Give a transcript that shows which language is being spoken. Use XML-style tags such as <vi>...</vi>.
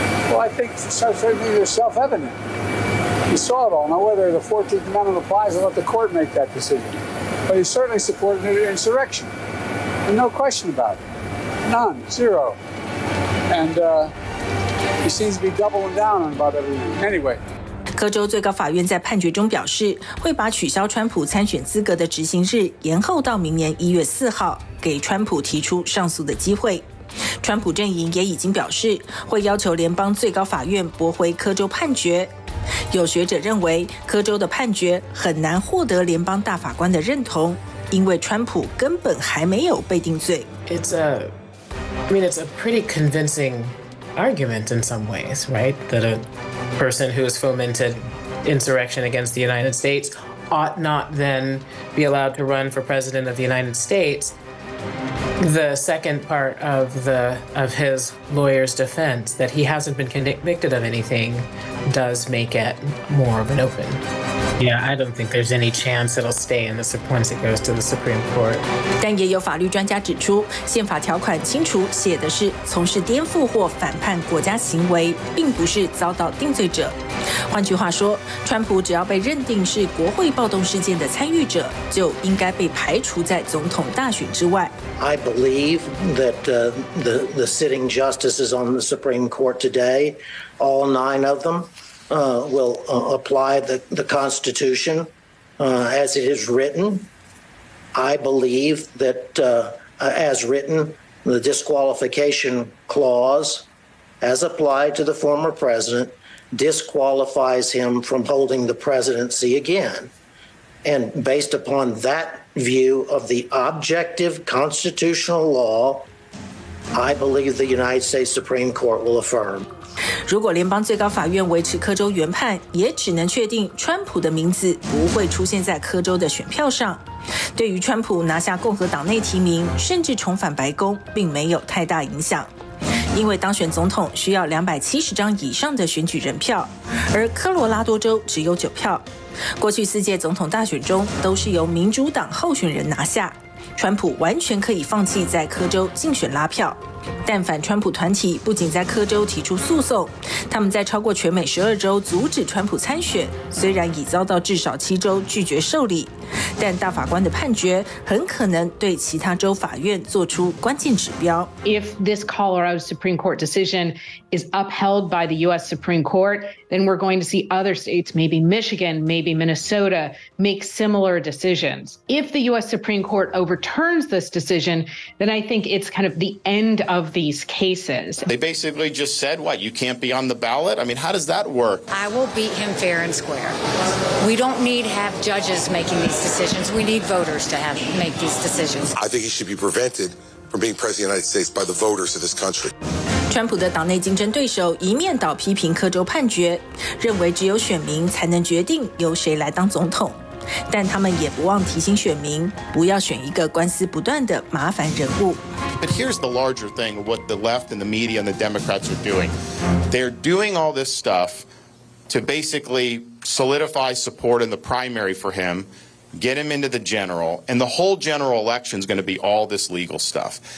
<en>Well, I think so certainly it's self-evident. You saw it all. Now, whether the 14th Amendment applies, I'll let the court make that decision. But you certainly supported an insurrection. No question about it. None. Zero. And he seems to be doubling down on about everything. Anyway.</en> <zh>科州最高法院在判决中表示，会把取消川普参选资格的执行日延后到明年1月4号，给川普提出上诉的机会。川普阵营也已经表示，会要求联邦最高法院驳回科州判决。有学者认为，科州的判决很难获得联邦大法官的认同，因为川普根本还没有被定罪。</zh> <en>It's a pretty convincing argument in some ways, right? That a person who has fomented insurrection against the United States ought not then be allowed to run for president of the United States. The second part of his lawyer's defense that he hasn't been convicted of anything does make it more of an open. Yeah, I don't think there's any chance it'll stay in the once it goes to the Supreme Court.</en> <zh>但也有法律专家指出，宪法条款清楚写的是从事颠覆或反叛国家行为，并不是遭到定罪者。换句话说，川普只要被认定是国会暴动事件的参与者，就应该被排除在总统大选之外。</zh> <en>I believe that the sitting justices on the Supreme Court today, all 9 of them, will apply the Constitution as it is written. I believe that as written, the disqualification clause, as applied to the former president, disqualifies him from holding the presidency again. And based upon that view of the objective constitutional law, I believe the United States Supreme Court will affirm.</en> <zh>如果联邦最高法院维持科州原判，也只能确定川普的名字不会出现在科州的选票上。对于川普拿下共和党内提名，甚至重返白宫，并没有太大影响，因为当选总统需要270张以上的选举人票，而科罗拉多州只有9票。过去四届总统大选中都是由民主党候选人拿下。川普完全可以放弃在科州竞选拉票，但反川普团体不仅在科州提出诉讼，他们在超过全美12州阻止川普参选，虽然已遭到至少7州拒绝受理，但大法官的判决很可能对其他州法院做出关键指标。</zh> <en>If this Colorado Supreme Court decision is upheld by the U.S. Supreme Court, then we're going to see other states, maybe Michigan, maybe Minnesota, make similar decisions. If the U.S. Supreme Court overturns this decision, then I think it's kind of the end of these cases. They basically just said, what, you can't be on the ballot? I mean, how does that work? I will beat him fair and square. We don't need to have judges making these decisions. We need voters to make these decisions. I think he should be prevented from being president of the United States by the voters of this country.</en> <zh>川普的党内竞争对手一面倒批评科州判决，认为只有选民才能决定由谁来当总统，但他们也不忘提醒选民不要选一个官司不断的麻烦人物。</zh> <en>But here's the larger thing: what the left and the media and the Democrats are doing. They're doing all this stuff to basically solidify support in the primary for him, get him into the general, and the whole general election is going to be all this legal stuff.</en>